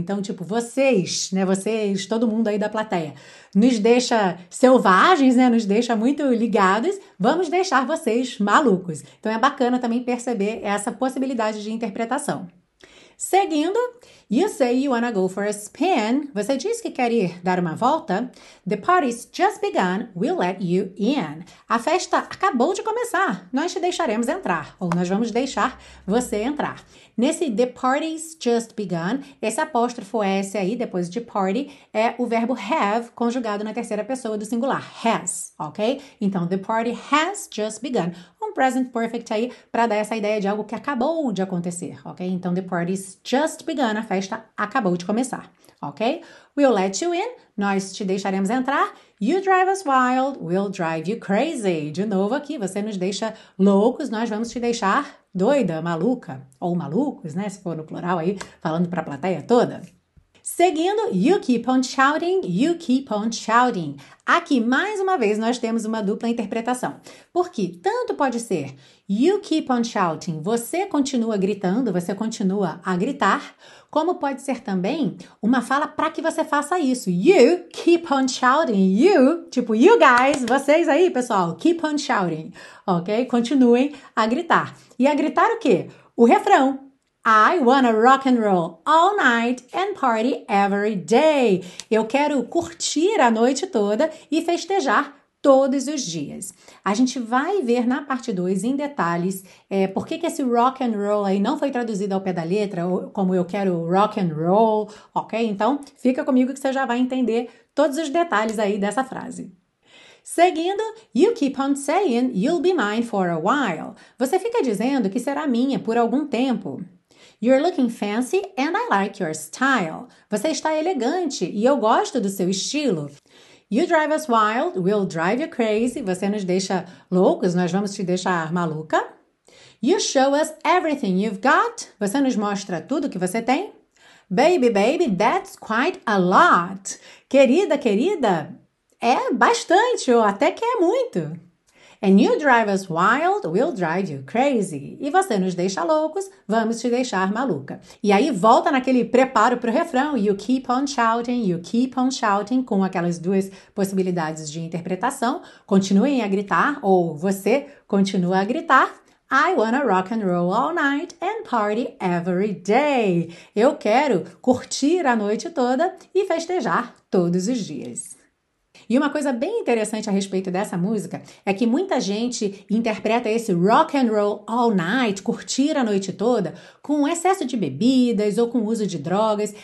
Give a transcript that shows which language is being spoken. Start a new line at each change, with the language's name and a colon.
Portuguese: Então, tipo, vocês, né, vocês, todo mundo aí da plateia, nos deixa selvagens, né, nos deixa muito ligados, vamos deixar vocês malucos. Então, é bacana também perceber essa possibilidade de interpretação.
English: Seguindo, you say you wanna go for a spin.
Portuguese: Você diz que quer ir dar uma volta.
English: The party's just begun, we'll let you in.
Portuguese: A festa acabou de começar, nós te deixaremos entrar. Ou nós vamos deixar você entrar. Nesse
English: the party's just begun,
Portuguese: esse apóstrofo S aí, depois de party, é o verbo have conjugado na terceira pessoa do singular, has, ok?
English: Então, the party has just begun.
Portuguese: Um present perfect aí para dar essa ideia de algo que acabou de acontecer, ok? Então,
English: the party's just begun,
Portuguese: a festa acabou de começar, ok?
English: We'll let you in,
Portuguese: nós te deixaremos entrar.
English: You drive us wild, we'll drive you crazy.
Portuguese: De novo aqui, você nos deixa loucos, nós vamos te deixar doida, maluca, ou malucos, né? Se for no plural aí, falando para a plateia toda.
English: Seguindo, you keep on shouting, you keep on shouting.
Portuguese: Aqui, mais uma vez, nós temos uma dupla interpretação. Porque tanto pode ser
English: you keep on shouting,
Portuguese: você continua gritando, você continua a gritar, como pode ser também uma fala para que você faça isso.
English: You keep on shouting, you, tipo you guys,
Portuguese: vocês aí, pessoal,
English: keep on shouting, ok?
Portuguese: Continuem a gritar. E a gritar o quê? O refrão.
English: I wanna rock and roll all night and party every day.
Portuguese: Eu quero curtir a noite toda e festejar todos os dias. A gente vai ver na parte 2 em detalhes por que esse rock and roll aí não foi traduzido ao pé da letra, ou como eu quero rock and roll, ok? Então fica comigo que você já vai entender todos os detalhes aí dessa frase.
English: Seguindo, you keep on saying you'll be mine for a while.
Portuguese: Você fica dizendo que será minha por algum tempo.
English: You're looking fancy and I like your style.
Portuguese: Você está elegante e eu gosto do seu estilo.
English: You drive us wild, we'll drive you crazy.
Portuguese: Você nos deixa loucos, nós vamos te deixar maluca.
English: You show us everything you've got.
Portuguese: Você nos mostra tudo que você tem.
English: Baby, baby, that's quite a lot.
Portuguese: Querida, querida, é bastante ou até que é muito.
English: And you drive us wild, we'll drive you crazy.
Portuguese: E você nos deixa loucos, vamos te deixar maluca. E aí volta naquele preparo para o refrão.
English: You keep on shouting,
Portuguese: com aquelas duas possibilidades de interpretação. Continuem a gritar, ou você continua a gritar.
English: I wanna rock and roll all night and party every day.
Portuguese: Eu quero curtir a noite toda e festejar todos os dias. E uma coisa bem interessante a respeito dessa música é que muita gente interpreta esse
English: rock and roll all night,
Portuguese: curtir a noite toda, com excesso de bebidas ou com uso de drogas.